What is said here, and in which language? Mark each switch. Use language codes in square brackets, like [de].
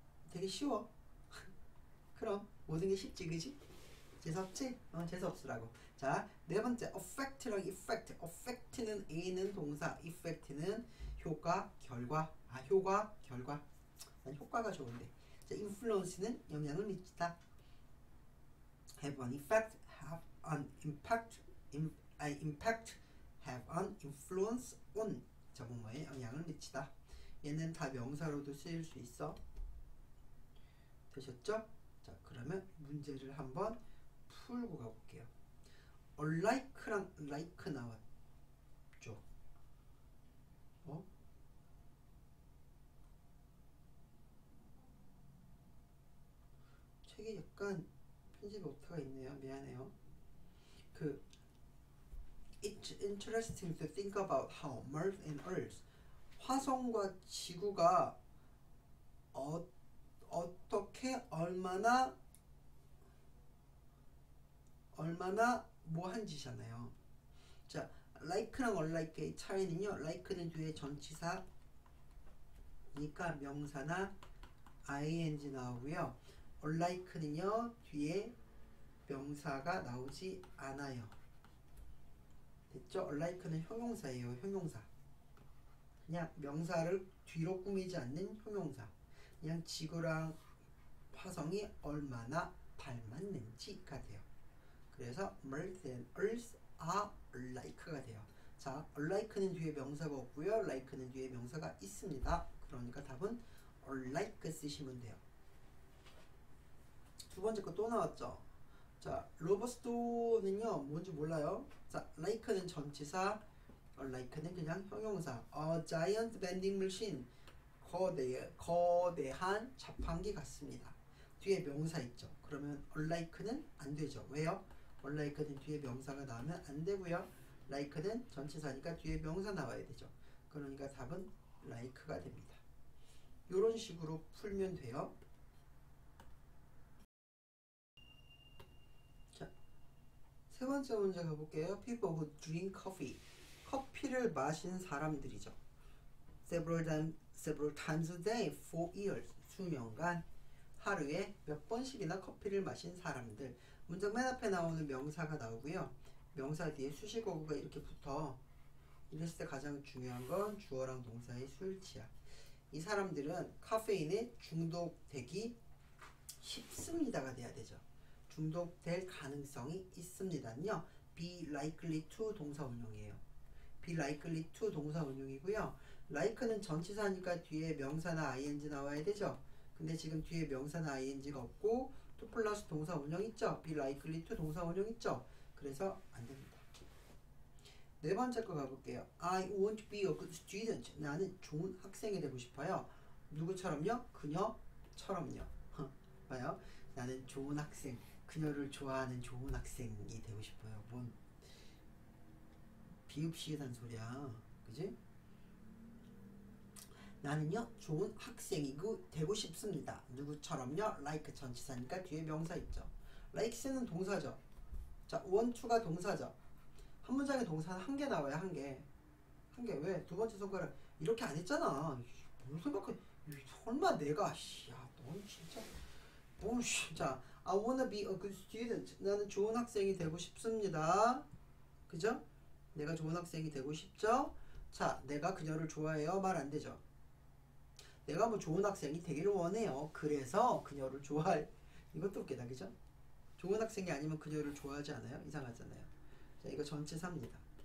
[ko] 되게 쉬워. 그럼 모든 게 쉽지, 그지? 재수 없지? 재수 없으라고. 자, 네 번째, affect랑 effect. affect는 A는 동사, effect는 효과, 결과. 아, 효과, 결과. 난 효과가 좋은데. 자, influence는 영향을 미치다. [en] have an effect, have an impact, impact have an influence on [ko] 적응어에 영향을 미치다. 얘는 다 명사로도 쓰일 수 있어. 되셨죠? 자, 그러면 문제를 한번 풀고 가볼게요. Alike랑 like 나왔죠? 책에 약간 편집 오타가 있네요. 미안해요. [en] 그 It's interesting to think about how Mars and Earth [ko] 화성과 지구가 어떻게 얼마나 뭐한지잖아요. 자, like랑 unlike의 차이는요. like는 뒤에 전치사니까 명사나 ing 나오고요. unlike는요. 뒤에 명사가 나오지 않아요. 됐죠? unlike는 형용사예요. 형용사. 그냥 명사를 뒤로 꾸미지 않는 형용사. 그냥 지구랑 화성이 얼마나 닮았는지가 돼요. [en] 그래서 Mars and Earth are alike가 돼요. [ko] 자, alike는 뒤에 명사가 없고요. like는 뒤에 명사가 있습니다. 그러니까 답은 alike 쓰시면 돼요. 두 번째 거또 나왔죠? 자, robust는요, 뭔지 몰라요? 자, like는 전치사, like는 그냥 형용사. [en] A giant vending machine. [ko] 거대한 자판기 같습니다. 뒤에 명사 있죠. 그러면 unlike는 안 되죠. 왜요? unlike는 뒤에 명사가 나오면 안 되고요. like는 전치사니까 뒤에 명사 나와야 되죠. 그러니까 답은 like가 됩니다. 이런 식으로 풀면 돼요. 세 번째 문제 가볼게요. [en] People who drink coffee. [ko] 커피를 마신 사람들이죠. [en] Several times a day, 4 years. [ko] 수명간 하루에 몇 번씩이나 커피를 마신 사람들. 문장 맨 앞에 나오는 명사가 나오고요. 명사 뒤에 수식어구가 이렇게 붙어. 이랬을 때 가장 중요한 건 주어랑 동사의 수일치야. 이 사람들은 카페인에 중독되기 쉽습니다가 돼야 되죠. 중독될 가능성이 있습니다는요. Be likely to 동사 운용이에요. Be likely to 동사 운용이고요. Like는 전치사니까 뒤에 명사나 ing 나와야 되죠. 근데 지금 뒤에 명사나 ing가 없고 to 플러스 동사 운용 있죠? Be likely to 동사 운용 있죠? 그래서 안 됩니다. 네 번째 거 가볼게요. [en] I want to be a good student. [ko] 나는 좋은 학생이 되고 싶어요. 누구처럼요? 그녀처럼요. 봐요. 나는 좋은 학생. 그녀를 좋아하는 좋은 학생이 되고 싶어요. 뭔 비읍시계단 소리야. 그지? 나는요, 좋은 학생이고 되고 싶습니다. 누구처럼요? Like 전치사니까 뒤에 명사 있죠. Like는 동사죠. 자, want to가 동사죠. 한 문장에 동사는 한개 나와요, 한 개. 한 개, 왜? 두 번째 손가락. 이렇게 안 했잖아. 뭘 생각해? 설마 내가, 씨, 야, 넌 진짜. 뭔, 씨, 자, [en] I wanna be a good student. [ko] 나는 좋은 학생이 되고 싶습니다. 그죠? 내가 좋은 학생이 되고 싶죠? 자, 내가 그녀를 좋아해요. 말안 되죠? 내가 뭐 좋은 학생이 되기를 원해요. 그래서 그녀를 좋아해. 이것도 웃기다, 그죠? 좋은 학생이 아니면 그녀를 좋아하지 않아요? 이상하잖아요. 자, 이거 전치사입니다.